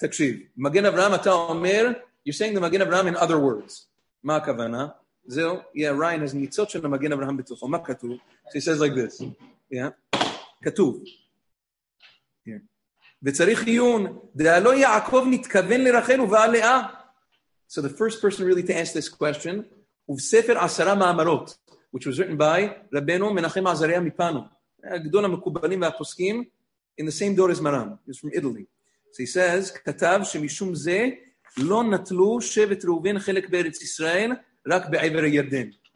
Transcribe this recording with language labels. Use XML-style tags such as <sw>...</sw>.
<he>תקשיב, מגן אברהם אתה אומר,</he> <en>you're saying the מגן אברהם in other words.</en> <he>מה הכוונה? זהו,</he> <en>yeah, Ryan has</en> <he>ניצות של המגן אברהם בתוכו. מה כתוב?</he> <en>So he says like this. Yeah.</en> <he>כתוב. וצריך עיון, דהלו יעקב נתכוון לרחל ובעל לאה.</he> <en>So the first person really to ask this question, ובספר עשרה מאמרות, which was written by רבנו מנחם עזריה מפנו,</en> <he>הגדול המקובלים והפוסקים,</he> <en>in the same door as מרם, he's from Italy. So he says,</en> <he>כתב שמשום זה לא נטלו שבט ראובן חלק בארץ ישראל, רק בעבר הירדן.</he>